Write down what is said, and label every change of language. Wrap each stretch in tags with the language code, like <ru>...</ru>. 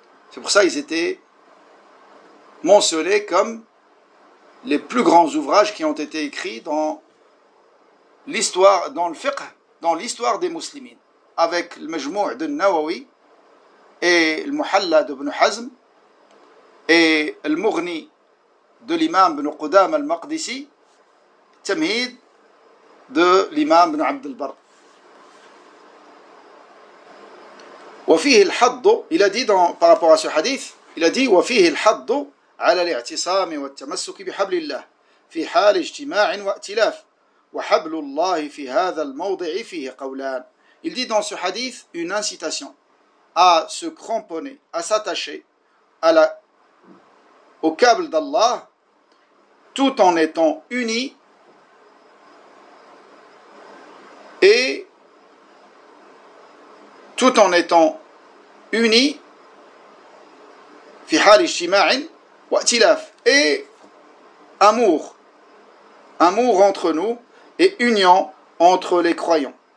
<fr>C'est pour ça qu'ils étaient mentionnés comme les plus grands ouvrages qui ont été écrits dans l'histoire, dans le fiqh, dans l'histoire des muslimines, avec le Majmou' de Nawawi et le Muhalla d'Ibn Hazm et le Mughni de l'imam Ibn Qudam al-Maqdisi, Tamhid de l'imam Ibn Abd al-Barr.</fr> <ar>وفيه الحظ الى دي دون</ar> <fr>par rapport à ce hadith il a dit</fr> <ar>وفيه الحظ على الاعتصام والتمسك بحبل الله في حال اجتماع وائتلاف وحبل الله في هذا الموضع فيه قولان.</ar> <fr>Il dit dans ce hadith une incitation à se cramponner, à s'attacher à la au câble d'Allah tout en étant unis et tout en étant unis</fr> <ar>fi hal ijtima'in wa itilaf</ar> <fr>et amour entre nous et union entre les croyants.</fr>